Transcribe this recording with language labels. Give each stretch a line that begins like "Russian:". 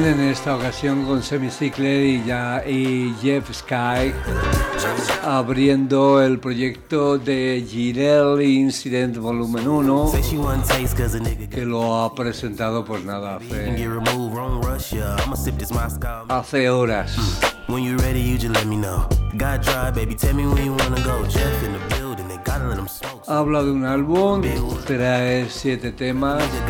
Spanish: Esta ocasión con Semicircle y Jeff Sky abriendo el proyecto de Jireel Incident Volumen 1, que lo ha presentado pues nada hace horas.
English: When you ready, you just let me know. God drive, baby, tell me where you wanna go. Jeff in the building, they gotta let him smoke.
Spanish: Habla de un álbum, trae 7 temas.